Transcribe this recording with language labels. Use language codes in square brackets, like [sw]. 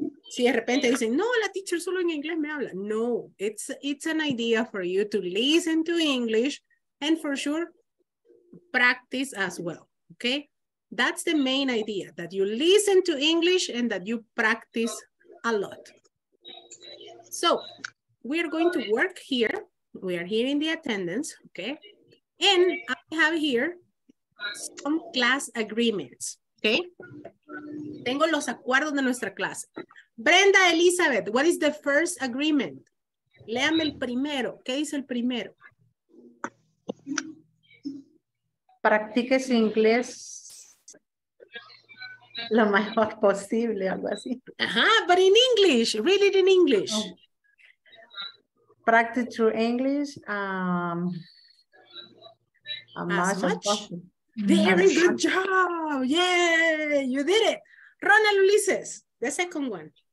[es] Si de repente dicen, no, la teacher solo en inglés me habla. [en] No, it's an idea for you to listen to English, and for sure, practice as well, okay? That's the main idea, that you listen to English and that you practice a lot. So we are going to work here. We are here in the attendance, okay? And I have here some class agreements, okay? [es] Tengo los acuerdos de nuestra clase. Brenda Elizabeth, [en] what is the first agreement? [es] Léame el primero. ¿Qué dice el primero? Practique su inglés lo mejor posible, algo así. [en] Ajá, but in English, read it in English. Practice your English as much as possible. Very good job. Yay, you did it. Ronald Ulises, the second one.